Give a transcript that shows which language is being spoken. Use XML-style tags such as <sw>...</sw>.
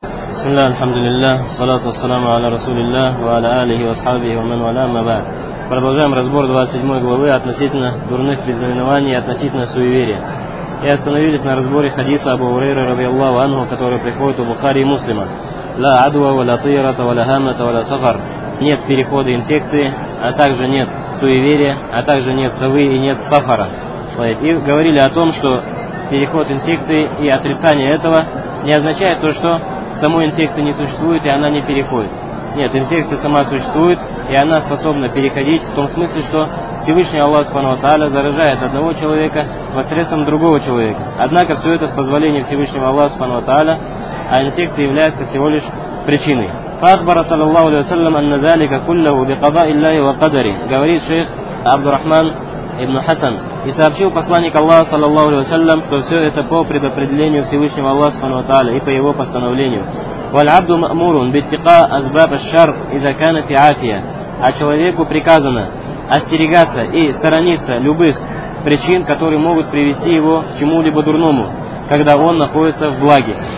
<ar>بسم الله الحمد لله والصلاة والسلام على رسول الله وعلى آله وصحبه ومن والاه ما بعد.</ar> <ru>Продолжаем разбор 27 главы относительно дурных предзнаменований и относительно суеверия. И остановились на разборе хадиса Абу Урейры</ru> <ar>رضي الله عنه,</ar> <ru>который приходит у Бухари и Муслима.</ru> <ar>لا عدوى ولا طيرة ولا هامة ولا صفر.</ar> <ru>Нет перехода инфекции, а также нет суеверия, а также нет совы и нет сафара. И говорили о том, что переход инфекции и отрицание этого не означает то, что самой инфекции не существует и она не переходит. Нет, инфекция сама существует, и она способна переходить в том смысле, что Всевышний Аллах Субхану Тааля заражает одного человека посредством другого человека. Однако все это с позволения Всевышнего Аллаха Субхану Тааля, а инфекция является всего лишь причиной.</ru> <ar>فأخبر صلى الله عليه وسلم أن ذلك كله بقضاء الله وقدره.</ar> <ru>Говорит шейх Абдурахман ибн Хасан. И сообщил посланник Аллаха, саллаллаху алейхи ва саллям, что все это по предопределению Всевышнего Аллаха субхана ва тааля и по его постановлению.</ru> <ar>وَالْعَبْدُ مَأْمُورٌ بِاتِّقَاءِ أَسْبَابِ الشَّرِّ إِذَا كَانَ فِي عَافِيَةٍ.</ar> <ru>А человеку приказано остерегаться и сторониться любых причин, которые могут привести его к чему-либо дурному, когда он находится в благе.</ru>